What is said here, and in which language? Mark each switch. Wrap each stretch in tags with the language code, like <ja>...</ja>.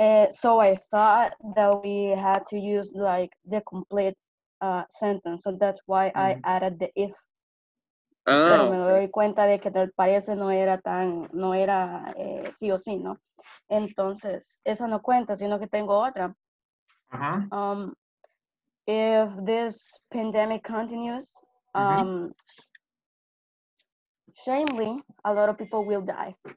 <en>So I thought that we had to use like the complete sentence. So that's why I added the if. Ah.</en> <es>Pero me doy cuenta de que tal parece no era tan, no era sí o sí, ¿no? Entonces, esa no cuenta, sino que tengo otra. Uh-huh.</es> <en>If this pandemic continues, shamefully, a lot of people will die.</en>